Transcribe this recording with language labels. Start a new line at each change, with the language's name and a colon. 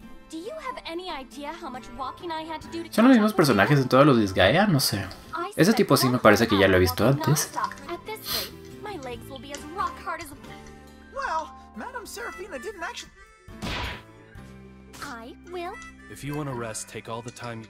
English: Do you have any idea how much walking I had to do to...
Spanish: ¿Son los mismos personajes en todos los Disgaea? No sé. Ese tipo sí me parece que ya lo he visto antes.
English: My legs will be as rock hard as... Well, Madame Seraphina didn't actually... I will. If you want to rest, take all the time.